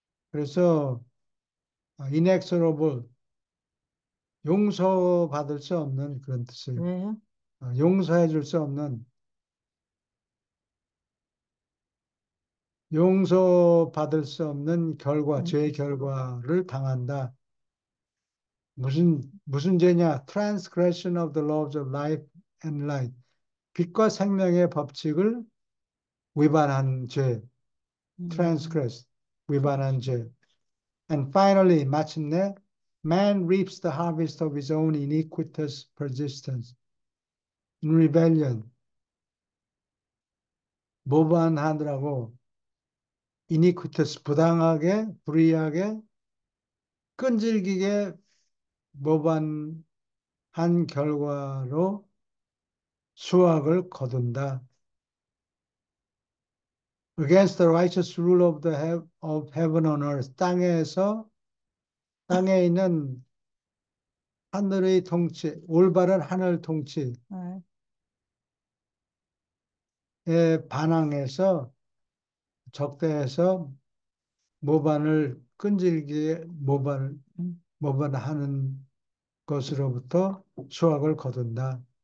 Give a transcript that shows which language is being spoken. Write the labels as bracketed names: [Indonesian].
[Korean] 그래서 inexorable, 용서받을 수 없는 그런 뜻이에요. 왜요? 용서해 줄수 없는, 용서받을 수 없는 결과, 죄의 결과를 당한다. 무슨 죄냐? [English] Transgression of the laws of life and light. [Korean] 빛과 생명의 법칙을 위반한 죄. Transgress. 위반한 죄. [English] And finally, [Korean] 마침내, [English] man reaps the harvest of his own iniquitous persistence in rebellion. [Korean] 모반하느라고 iniquitous, 부당하게, 불의하게, 끈질기게 모반한 결과로 수확을 거둔다. [English] Against the righteous rule of of heaven on earth. [Korean] 땅에 있는 하늘의 통치, 올바른 하늘 통치에 반항해서, 적대해서 모반하는 것으로부터 수확을 거둔다.